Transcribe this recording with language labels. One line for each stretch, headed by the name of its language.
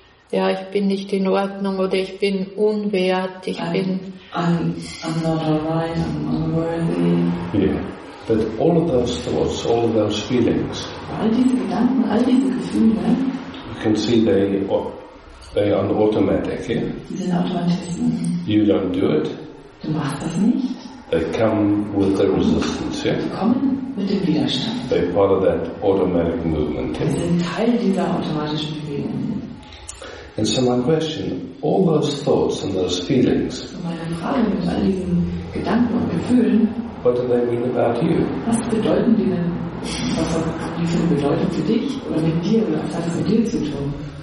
German: Ja, ich bin nicht in Ordnung oder ich bin unwert.
English: I'm not alright, I'm unworthy. Yeah. But all of those thoughts, all of those feelings.
German: All diese Gedanken, all diese Gefühle.
English: You can see they are automatic, yeah?
German: Die sind automatisch.
English: You don't do it.
German: Du machst das nicht.
English: They come with the resistance, yeah?
German: Die kommen mit dem Widerstand.
English: They're part of that automatic movement.
German: Sie sind Teil dieser automatischen Bewegung.
English: And so my question, all those thoughts and those feelings.
German: Meine Frage mit all diesen Gedanken und Gefühlen.
English: What do they mean about you?
German: Was bedeuten die denn? Was haben die für eine Bedeutung für dich? Oder mit dir? Oder was hat das mit dir zu tun?